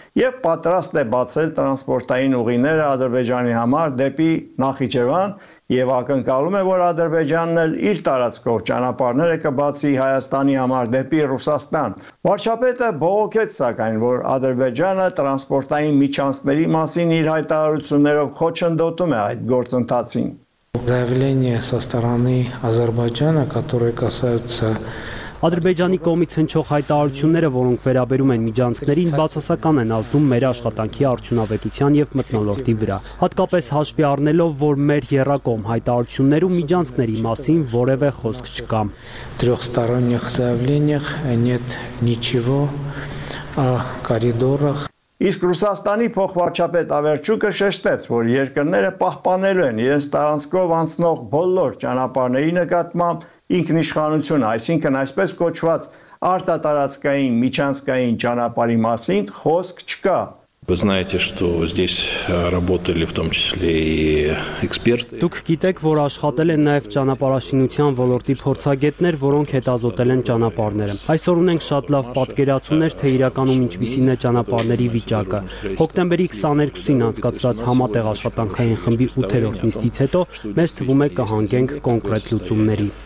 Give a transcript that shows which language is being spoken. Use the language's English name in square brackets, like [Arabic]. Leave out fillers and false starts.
[Armenian] և պատրաստ է բացել տրանսպորտային ուղիները Ադրբեջանի համար դեպի Նախիջևան, և ակնկալում է, որ Ադրբեջանն էլ իր տարածքով ճանապարհները կբացի Հայաստանի համար դեպի Ռուսաստան։ Վարչապետը բողոքեց, սակայն, որ Ադրբեջանը տրանսպորտային միջանցների մասին իր հայտարարություններով խոչընդոտում է այդ գործընթացին։ [Russian] Заявление со стороны Азербайджана, которое касается [Armenian] Ադրբեջանի կողմից հնչող հայտարարությունները, որոնք վերաբերում են միջանցքներին, բացասական են ազդում մեր աշխատանքի արդյունավետության և մթնոլորտի վրա։ Հատկապես հաշվի առնելով, որ մեր եռակողմ հայտարարություններում միջանցքների մասին որևէ խոսք չկա։ [Russian] Трёхсторонних заявлениях нет ничего о коридорах. [Armenian] Իսկ Ռուսաստանի փոխվարչապետ Ավերչուկը շեշտեց, որ երկրները պահպանելու են իրենց տարածքով անցնող բոլոր ճանապարհների նկատմամբ ինքնիշխանություն, այսինքն այսպես կոչված արտատարածքային միջանցքային ճանապարհի մասին խոսք չկա։ [Russian] Вы знаете, что здесь работали в том числе и эксперты. [Armenian] Դուք գիտեք, որ աշխատել են նաև ճանապարհաշինության ոլորտի փորձագետներ, որոնք հետազոտել են ճանապարհները։ Այսօր ունենք շատ լավ պատկերացումներ, թե իրականում ինչպիսին է ճանապարհների վիճակը։ Հոկտեմբերի 22-ին անցկացրած համատեղ աշխատանքային խմբի 8-րդ նիստից հետո մեզ թվում է կհանգենք կոնկրետ լուծումների։